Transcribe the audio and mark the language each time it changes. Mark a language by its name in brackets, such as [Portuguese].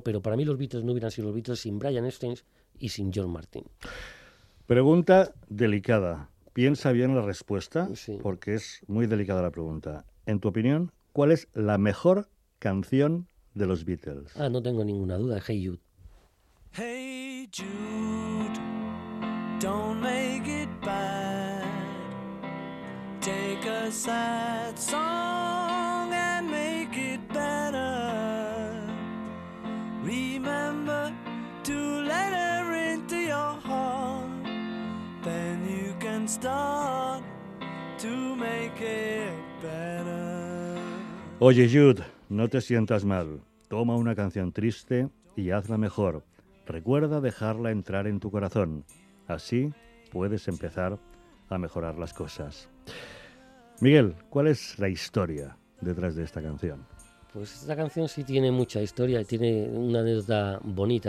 [Spanish] Pero para mí los Beatles no hubieran sido los Beatles sin Brian Epstein y sin George Martin. Pregunta delicada. Piensa bien la respuesta, sí, porque es muy delicada la pregunta. En tu opinión, ¿cuál es la mejor canción de los Beatles? Ah, no tengo ninguna duda. Hey Jude. [English] Hey Jude, don't make it bad. Take a sad song and make it better. Remember to let her into your heart. Then you can start to make it better. [Spanish] Oye, Jude, no te sientas mal. Toma una canción triste y hazla mejor. Recuerda dejarla entrar en tu corazón. Así puedes empezar a mejorar las cosas. Miguel, ¿cuál es la historia detrás de esta canción? Pues esta canción sí tiene mucha historia y tiene una anécdota bonita.